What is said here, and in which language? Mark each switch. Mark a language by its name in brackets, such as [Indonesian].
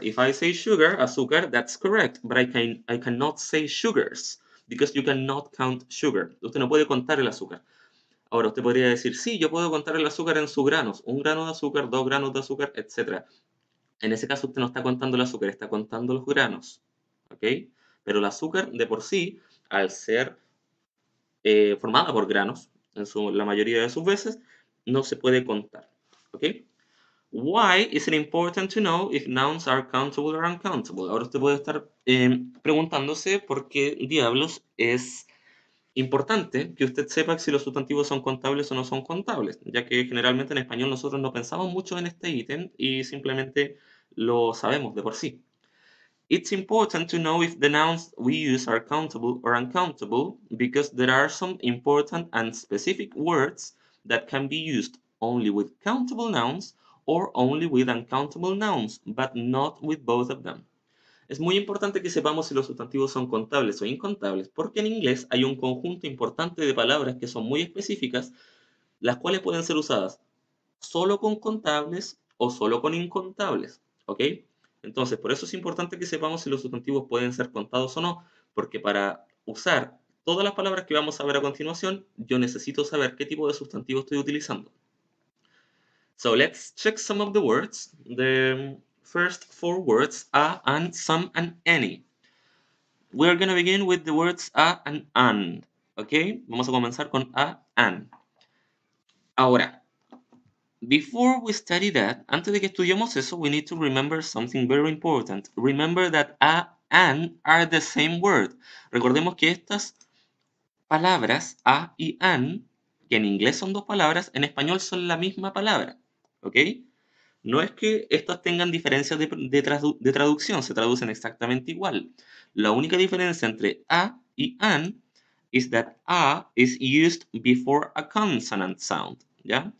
[English] If I say sugar, azúcar, that's correct, but I cannot say sugars. Because you cannot count sugar. [Spanish] Usted no puede contar el azúcar. Ahora, usted podría decir, sí, yo puedo contar el azúcar en sus granos. Un grano de azúcar, dos granos de azúcar, etc. En ese caso, usted no está contando el azúcar, está contando los granos. ¿Okay? Pero el azúcar, de por sí, al ser formada por granos, la mayoría de sus veces, no se puede contar. ¿Okay? [English] Why is it important to know if nouns are countable or uncountable? [Spanish] Ahora usted puede estar preguntándose por qué diablos es importante que usted sepa si los sustantivos son contables o no son contables, ya que generalmente en español nosotros no pensamos mucho en este ítem y simplemente lo sabemos de por sí. [English] It's important to know if the nouns we use are countable or uncountable because there are some important and specific words that can be used only with countable nouns or only with uncountable nouns, but not with both of them. [Spanish] Es muy importante que sepamos si los sustantivos son contables o incontables, porque en inglés hay un conjunto importante de palabras que son muy específicas, las cuales pueden ser usadas solo con contables o solo con incontables, ¿ok? Entonces, por eso es importante que sepamos si los sustantivos pueden ser contados o no, porque para usar todas las palabras que vamos a ver a continuación, yo necesito saber qué tipo de sustantivo estoy utilizando. [English] So let's check some of the words. The first four words, a, an, some, and any. We're going to begin with the words a and an. Okay? [Spanish] Vamos a comenzar con a, an. Ahora, [English] before we study that, [Spanish] antes de que estudiemos eso, [English] we need to remember something very important. Remember that a, an are the same word. [Spanish] Recordemos que estas palabras, a y an, que en inglés son dos palabras, en español son la misma palabra. ¿Ok? No es que estas tengan diferencias de traducción, se traducen exactamente igual. La única diferencia entre [English] a y an is that a is used before a consonant sound, ¿ya?